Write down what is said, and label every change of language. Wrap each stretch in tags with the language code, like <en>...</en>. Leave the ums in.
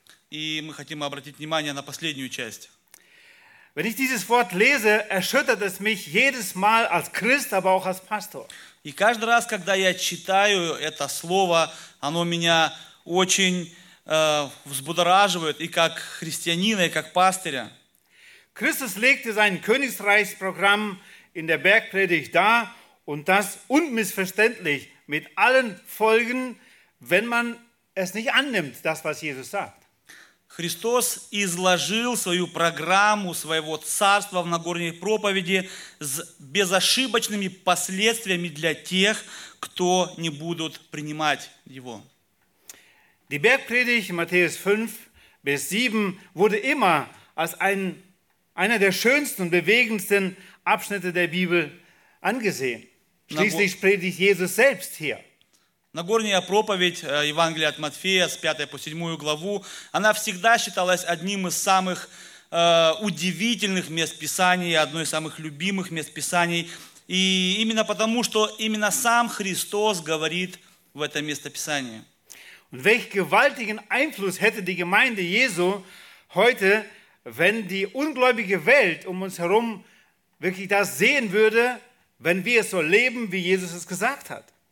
<ru>И мы хотим обратить внимание на последнюю часть.</ru> <de>Wenn ich dieses Wort lese, erschüttert es mich jedes Mal als Christ, aber auch als Pastor.</de> <ru>И каждый раз, когда я читаю это слово, оно меня очень э, взбудораживает и как христианина, и как пастыря.</ru> <de>Христос legte sein Königsreichsprogramm in der Bergpredigt dar und das unmissverständlich mit allen Folgen, wenn man es nicht annimmt, das, was Jesus sagt.</de> <ru>Христос изложил свою программу своего царства в Нагорной проповеди с безошибочными последствиями для тех, кто не будут принимать его.</ru> <de>Die Bergpredigt in Matthäus 5 bis 7 wurde immer als ein, einer der schönsten und bewegendsten Abschnitte der Bibel angesehen. Schließlich predigt Jesus selbst hier.</de> <ru>Нагорная проповедь Евангелия от Матфея с 5 по 7 главу, она всегда считалась одним из самых э, äh, удивительных мест Писания, одной из самых любимых мест Писаний. И именно потому, что именно сам Христос говорит в этом местописании.</ru> <de>Und welchen gewaltigen Einfluss hätte die Gemeinde Jesu heute, wenn die ungläubige Welt um uns herum wirklich das sehen würde, wenn wir es so leben, wie Jesus es gesagt hat?</de>